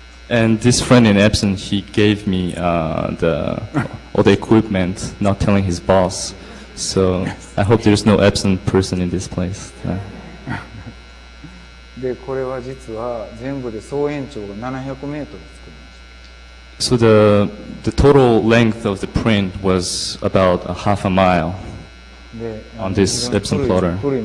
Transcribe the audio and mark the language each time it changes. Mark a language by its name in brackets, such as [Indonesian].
[English] and this friend in Epson he gave me all the equipment not telling his boss so I hope there's no Epson person in this place [Japanese] でこれは実は全部で総延長が700メートル [English] So the total length of the print was about a half a mile on this Epson plotter.